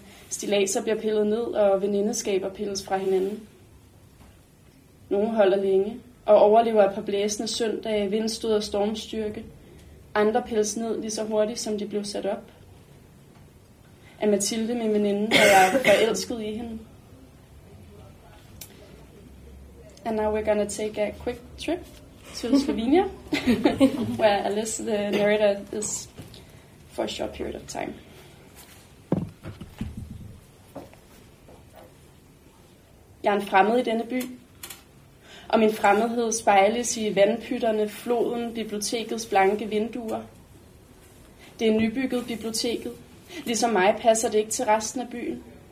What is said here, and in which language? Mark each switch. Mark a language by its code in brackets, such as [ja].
[da] Stillaser bliver pillet ned, og venindeskaber pilles fra hinanden. Nogle holder længe og overlever et par blæsende søndage, vindstød og stormstyrke. Andre pilles ned lige så hurtigt, som de blev sat op. Er Mathilde min veninde, og jeg er forelsket i hende. [en] And now we're gonna take a quick trip to Slovenia, where Alice the narrator is for a short period of time. [da] Jeg er en fremmed i denne by, og min fremmedhed spejles i vandpytterne, floden, bibliotekets blanke vinduer. Det er nybygget biblioteket. Ligesom mig passer det ikke til resten af byen.